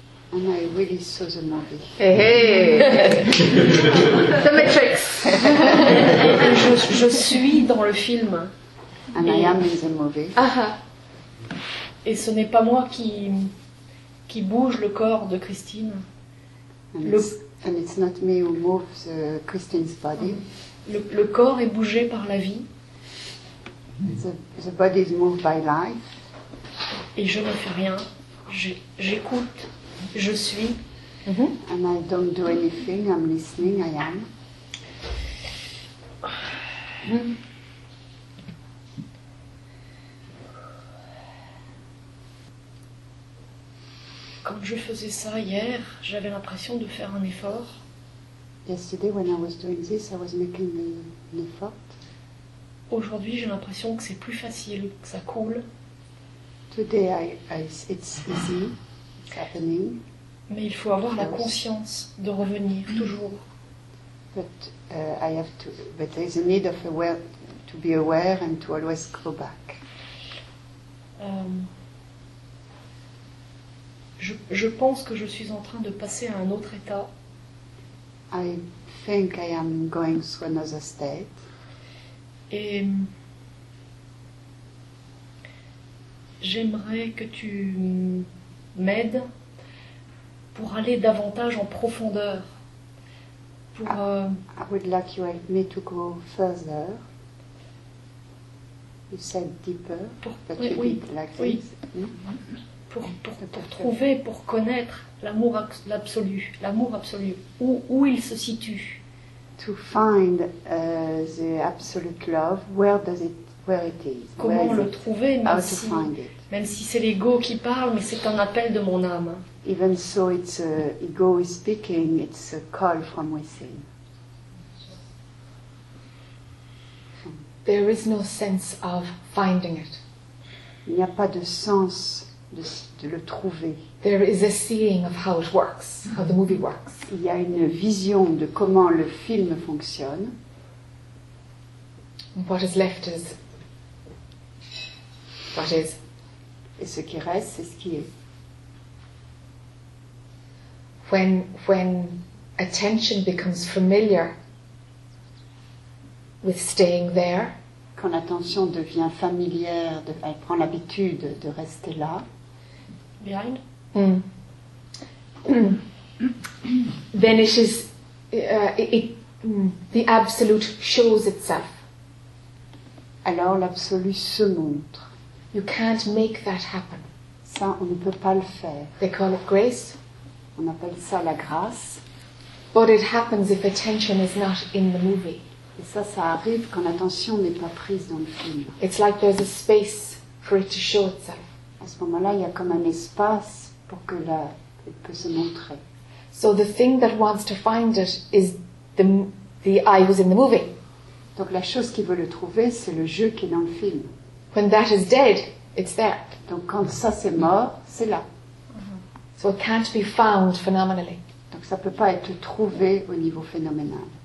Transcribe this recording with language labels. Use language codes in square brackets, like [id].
[en] And I really saw the movie. Hey, hey. The Matrix. [fr] je suis dans le film. [en] And I am in the movie. Aha. [fr] Et ce n'est pas moi qui bouge le corps de Christine. [en] And it's not me who moves Christine's body. [fr] Le corps est bougé par la vie. [en] The body is moved by life. [fr] Et je ne fais rien. J'écoute. Je suis. [en] Mm-hmm. And I don't do anything. I'm listening. I am. [fr] Quand je faisais ça hier, j'avais l'impression de faire un effort. [en] Yesterday, when I was doing this, I was making an effort. [fr] Aujourd'hui, j'ai l'impression que c'est plus facile, que ça coule. [en] Today, it's easy. It's happening. [fr] Mais il faut avoir la conscience de revenir toujours. [en] But there is a need of to be aware and to always go back. [fr] Je pense que je suis en train de passer à un autre état. [en] I think I am going to another state. [fr] Et j'aimerais que tu m'aides pour aller davantage en profondeur. [en] I would like you help me to go further. You said deeper. [fr] Pour trouver, pour connaître l'amour absolu. L'amour absolu. Où il se situe. [en] To find the absolute love. Where it is. [fr] Comment le trouver, même si c'est l'ego qui parle, mais c'est un appel de mon âme. [en] Even so, it's ego is speaking. It's a call from within. There is no sense of finding it. [fr] Il n'y a pas de sens de le trouver. [en] There is a seeing of how it works, how the movie works. [fr] Il y a une vision de comment le film fonctionne. [en] What is left is what is. [fr] Et ce qui reste, c'est ce qui est. [en] When attention becomes familiar with staying there, [fr] quand l'attention devient familière, elle prend l'habitude de rester là. [en] Behind. Then it is the absolute shows itself. [fr] Alors l'absolu se montre. [en] You can't make that happen. [fr] Ça, on ne peut pas le faire. [en] They call it grace. [fr] On appelle ça la grâce. [en] But it happens if attention is not in the movie. [fr] Et ça arrive quand l'attention n'est pas prise dans le film. [en] It's like there's a space for it to show itself. [fr] À ce moment-là, il y a comme un espace pour que là, il peut se montrer. [en] So the thing that wants to find it is the I who's in the movie. [fr] Donc la chose qui veut le trouver, c'est le jeu qui est dans le film. [en] When that is dead, it's there. [fr] Donc quand ça c'est mort, c'est là. [en] So it can't be found phenomenally. [fr] Donc ça peut pas être trouvé au niveau phénoménal.